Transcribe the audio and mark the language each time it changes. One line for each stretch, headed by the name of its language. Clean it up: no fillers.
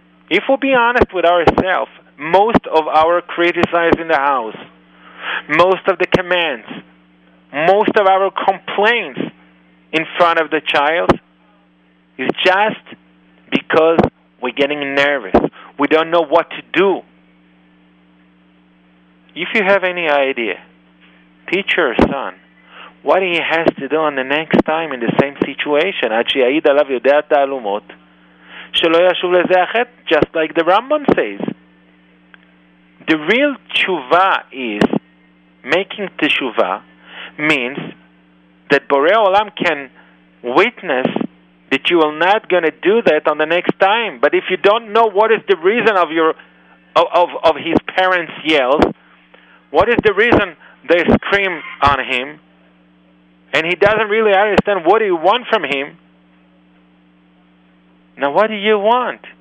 English: If we'll be honest with ourselves, most of our criticism in the house, most of the commands, most of our complaints in front of the child is just because we're getting nervous. We don't know what to do. If you have any idea, teach your son what he has to do on the next time in the same situation.
Hebrew: עד שיעיד עליו יודע תעלומות, שלא ישוב לזה אחת,
English: just like the Rambam says. The real תשובה is, making תשובה means that Borei Olam can witness that you are not going to do that on the next time. But if you don't know what is the reason of your of his parents' yells, what is the reason they scream on him, and he doesn't really understand what do you want from him, now what do you want?